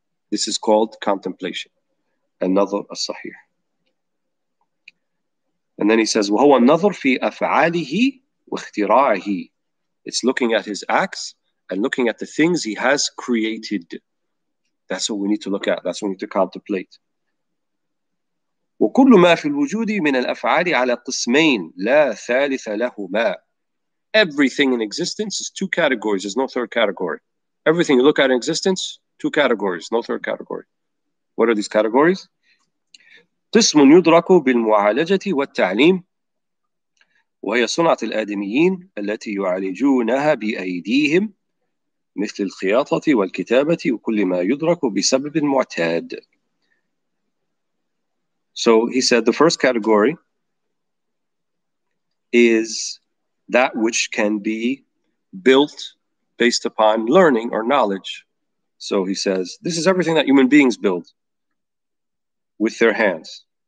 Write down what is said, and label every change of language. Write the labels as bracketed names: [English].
[English] This is called contemplation. Another as-sahih. And then he says, [Arabic] وَهُوَ النَّظَرْ فِي أَفْعَالِهِ وَاخْتِرَاعِهِ [English] It's looking at his acts and looking at the things he has created. That's what we need to look at. That's what we need to contemplate. [Arabic] وَكُلُّ مَا فِي الْوُجُودِ مِنَ الْأَفْعَالِ عَلَى قِسْمَيْنِ لَا ثَالِثَ لَهُمَا [English] Everything in existence is two categories. There's no third category. Everything you look at in existence, two categories. No third category. What are these categories? [Arabic] قسم يدرك بالمعالجة والتعليم وهي صنعة الآدميين التي يعالجونها بأيديهم مثل الخياطة والكتابة وكل ما يدرك بسبب معتاد. [English] So he said the first category is that which can be built based upon learning or knowledge. So he says this is everything that human beings build with their hands.